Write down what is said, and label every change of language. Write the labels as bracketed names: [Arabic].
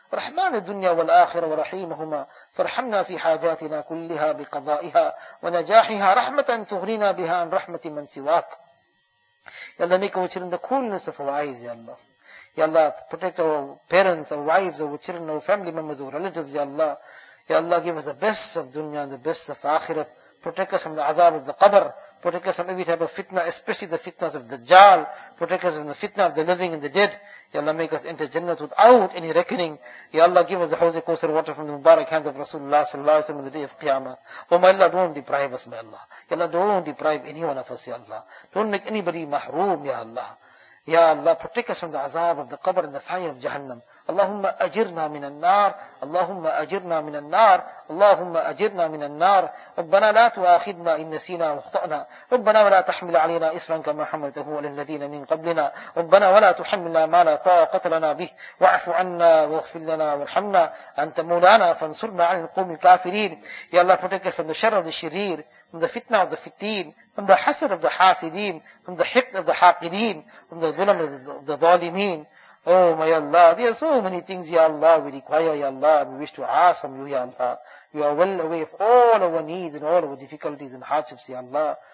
[Arabic] رحمن الدنيا والآخرة ورحيمهما فارحمنا في حاجاتنا كلها بقضائها ونجاحها رحمة تغنينا بها عن رحمة من سواك يا الله [English] make our children the coolness of our eyes, Ya Allah. Ya Allah, protect our parents, our wives, our children, our family members, our relatives, Ya Allah. Ya Allah, give us the best of dunya and the best of akhirat. Protect us from the azab of the qabr. Protect us from every type of fitna, especially the fitnas of Dajjal. Protect us from the fitna of the living and the dead. Ya Allah, make us enter Jannat without any reckoning. Ya Allah, give us the Hawz-e Kawthar water from the Mubarak hands of Rasulullah sallallahu alaihi wasallam on the day of Qiyamah. Oh, my Allah, don't deprive us, my Allah. Ya Allah, don't deprive any one of us, Ya Allah. Don't make anybody mahroom, Ya Allah. Ya Allah, protect us from the azab of the qabr and the fire of Jahannam. [Arabic] اللهم أجرنا من النار اللهم أجرنا من النار اللهم أجرنا من النار ربنا لا تؤاخذنا إن نسينا واخطأنا ربنا ولا تحمل علينا إصرا كما حملته على الذين من قبلنا ربنا ولا تحملنا ما لا طاقة لنا به واعف عنا واغفر لنا وارحمنا أنت مولانا فانصرنا على القوم الكافرين يا الله [English] protect us from the [Arabic] شر الشرير [English] from the fitna of the fitteen, from the hasad of the hasidin, from the hiqd of the haqidin, from the dhulam of the dhalimeen. Oh my Allah, there are so many things, Ya Allah, we require, Ya Allah, we wish to ask from you, Ya Allah. You are well away of all our needs and all our difficulties and hardships, Ya Allah.